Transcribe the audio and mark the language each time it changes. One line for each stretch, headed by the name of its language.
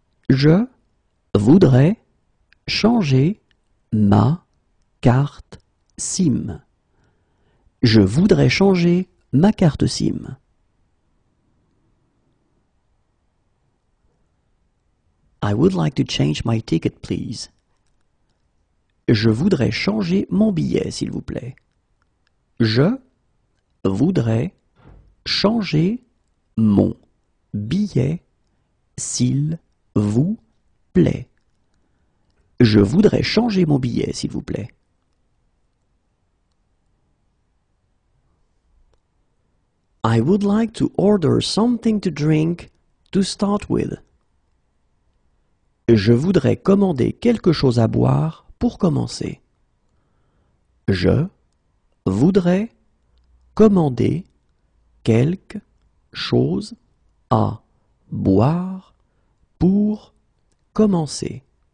French: Je voudrais changer ma carte SIM. Je voudrais changer ma carte SIM.
English: I would like to change my ticket, please.
French: Je voudrais changer mon billet, s'il vous plaît. Je voudrais changer mon billet, s'il vous plaît. Je voudrais changer mon billet, s'il vous plaît.
English: I would like to order something to drink to start with.
French: Je voudrais commander quelque chose à boire pour commencer. Je voudrais commander quelque chose à boire pour commencer.